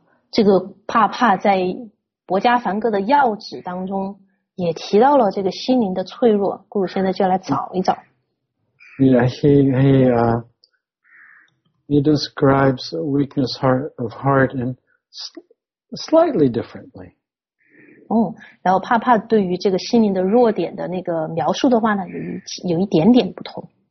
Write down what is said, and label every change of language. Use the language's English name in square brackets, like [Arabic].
[Chinese] 这个帕帕在博迦梵歌的要旨当中也提到了这个心灵的脆弱，故事现在就来找一找。 [English] Yeah, he describes weakness of heart and slightly differently. [Chinese] 然后帕帕对于这个心灵的弱点的那个描述的话呢，有一点点不同。